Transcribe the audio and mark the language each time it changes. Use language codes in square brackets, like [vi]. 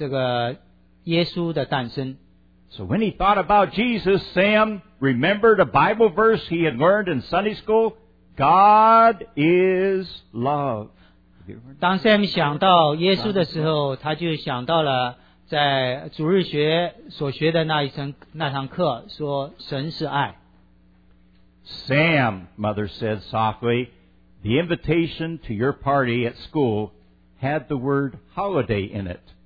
[zh] 在耶稣诞生画像，他看到玛利亚、约瑟和那些牧羊人，他们在等待这个耶稣的诞生。 [en] So when he thought about Jesus, Sam remembered a Bible verse he had learned in Sunday school: God is love. [zh] 当 Sam 想到耶稣的时候，他就想到了在主日学所学的那一堂课，说神是爱。 [en] Sam, Mother said softly, the invitation to your party at school had the word holiday in it.